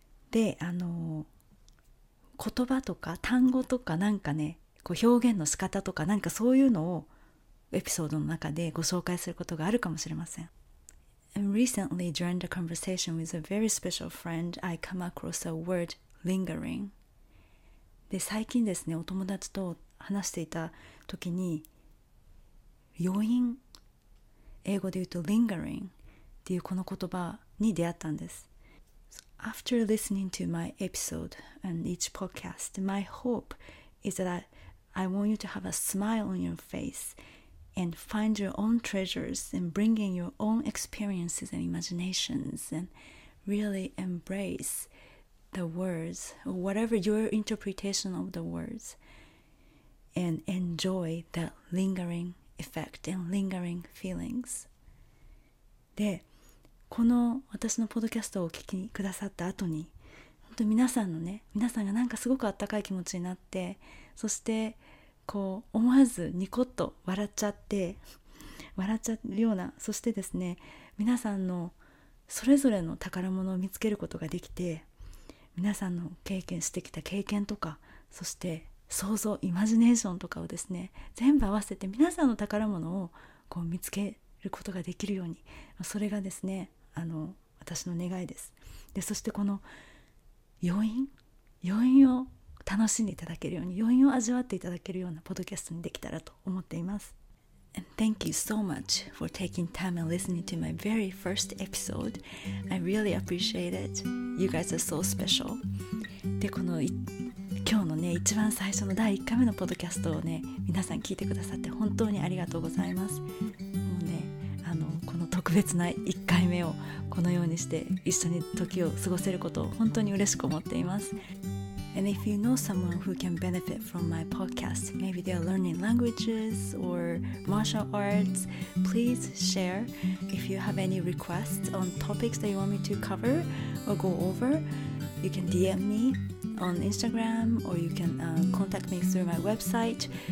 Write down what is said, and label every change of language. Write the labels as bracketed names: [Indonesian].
[Japanese] で、あの、言葉とか単語とかなんかね、こう表現の仕方とかなんかそういうのをエピソードの中でご紹介することがあるかもしれません。 [English] And recently during the conversation with a very special friend, I come across a word lingering. [Japanese] で、最近ですね、お友達と話していた時に、余韻、英語で言うと lingering っていうこの言葉に出会ったんです。 [English] So、after listening to my episode and each podcast, my hope is that I want you to have a smile on your face and find your own treasures and bring in your own experiences and imaginations and really embrace the words or whatever your interpretation of the words and enjoy the lingeringEffect and lingering feelings. [Japanese] で、この私のポッドキャストを聞きくださった後に、本当皆さんのね、皆さんがなんかすごくあったかい気持ちになって、そしてこう思わずニコッと笑っちゃって、笑っちゃうような、そしてですね、皆さんのそれぞれの宝物を見つけることができて、皆さんの経験してきた経験とか、そして想像、イマジネーションとかをですね、全部合わせて皆さんの宝物をこう見つけることができるように、それがですね、あの、私の願いです。で、そしてこの余韻を楽しんでいただけるように、余韻を味わっていただけるようなポッドキャストにできたらと思っています。 [English] And thank you so much for taking time and listening to my very first episode. I really appreciate it. You guys are so special. [Japanese] で、この今日のね、一番最初の第1回目のポッドキャストをね、皆さん聞いてくださって本当にありがとうございます。もうね、あの、この特別な1回目をこのようにして一緒に時を過ごせることを本当に嬉しく思っています。 [English] And if you know someone who can benefit from my podcast, maybe they are learning languages or martial arts, please share. If you have any requests on topics that you want me to cover or go over, you can DM meOn Instagram, or you can contact me through my website.